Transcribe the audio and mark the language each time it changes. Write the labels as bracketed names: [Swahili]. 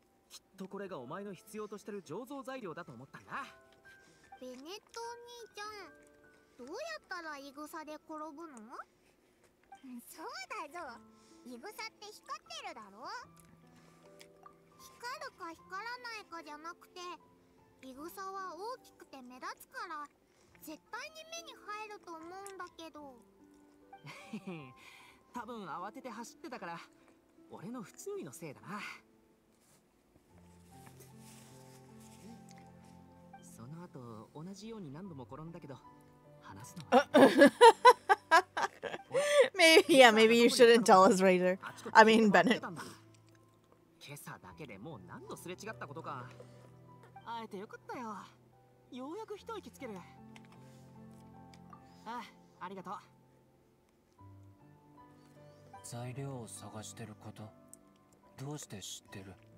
[Japanese] きっとこれがお前の必要としてる醸造材料だと思ったな。ベネットお兄ちゃん、どうやったらイグサで転ぶの？そうだぞ。イグサって光ってるだろ？光るか光らないかじゃなくて、イグサは大きくて目立つから絶対に目に入ると思うんだけど。多分慌てて走ってたから俺の不注意のせいだな。その後同じように何度も転んだけど話すのは [English] Maybe, yeah, maybe you shouldn't tell us, Raider. I mean, Bennett. [Japanese] 今朝だけでもう何度すれ違ったことか。会えてよかったよ。ようやく一息つける。ありがとう。材料を探してること、どうして知ってる？